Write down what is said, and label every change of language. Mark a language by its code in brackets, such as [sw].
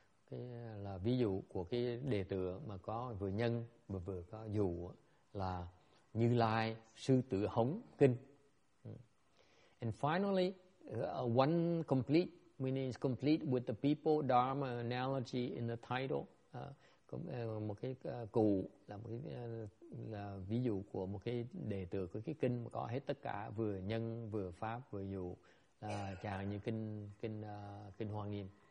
[vi] Cái là ví dụ của cái đề tựa mà có vừa nhân mà vừa có dụ là Như Lai Sư Tử Hống Kinh. [en] And finally, one complete, meaning is complete with the people, dharma, analogy in the title. [vi] Một cái cụ là một cái là ví dụ của một cái đề tựa của cái kinh mà có hết tất cả vừa nhân vừa pháp vừa dụ, chẳng như kinh Hoa Nghiêm.